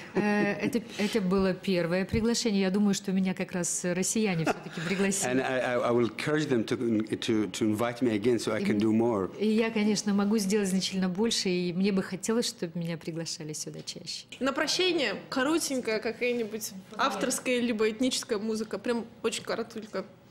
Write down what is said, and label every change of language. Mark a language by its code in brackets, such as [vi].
[ru] Это было первое приглашение. Я думаю, что меня как раз россияне все-таки пригласили. [en] And I will encourage them to invite me again, so I can do more. [ru] И я, конечно, могу сделать значительно больше, и мне бы хотелось, чтобы меня приглашали сюда чаще. На прощение коротенькая какая-нибудь авторская либо этническая музыка, прям очень коротенько.